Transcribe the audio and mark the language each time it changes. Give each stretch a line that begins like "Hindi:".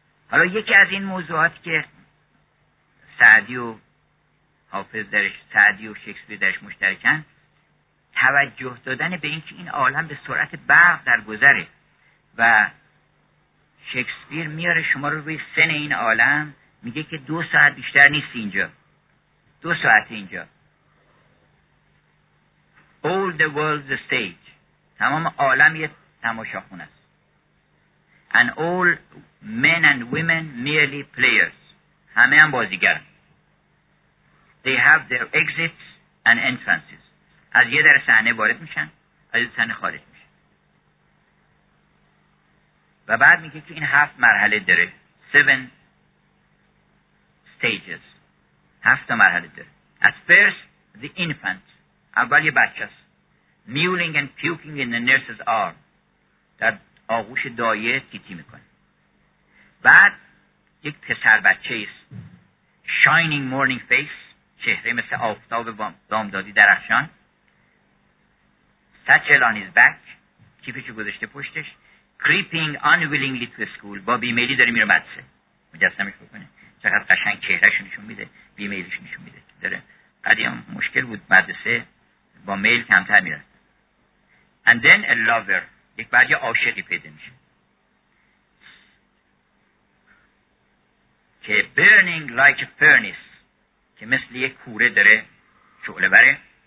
Persian: حالا یکی از این موضوعات که سعدی و حافظ درش، سعدی و شکسپیر درش مشترکن، توجه دادن به این که این عالم به سرعت برق در گذره و شکسپیر میاره شما رو روی سن این عالم، میگه که 2 ساعت بیشتر نیست اینجا، 2 ساعت اینجا.
English: All the world's a stage،
Persian: تمام عالم یه تماشاخونه است.
English: And all men and women merely players،
Persian: همه هم بازیگر.
English: They have their exits and entrances،
Persian: از یه در صحنه وارد میشن، از یه صحنه خارج میشن. و بعد میگه که این 7 مرحله داره، 7 stages، 7 مرحله داره.
English: At first the infant،
Persian: اول یه بچه است.
English: Mewling and puking in the nurse's arm،
Persian: در آغوش دایه تیتی میکنه. بعد یک پسر بچه است.
English: Shining morning face،
Persian: چهره مثل آفتاب بامدادی درخشان.
English: Satchel on his back،
Persian: کیفشو گذاشته پشتش.
English: Creeping unwillingly to school،
Persian: با بیمیلی داره میره مدرسه. مجسمش بکنه چقدر قشنگ چهرهشو نشون میده، بیمیلیش نشون میده داره. قدیم مشکل بود مدرسه، با میل کمتر میره.
English: And then a lover،
Persian: یک بعد یه عاشقی پیدا میشه که
English: burning like a furnace،
Persian: که مثل یک کوره داره شعله بره.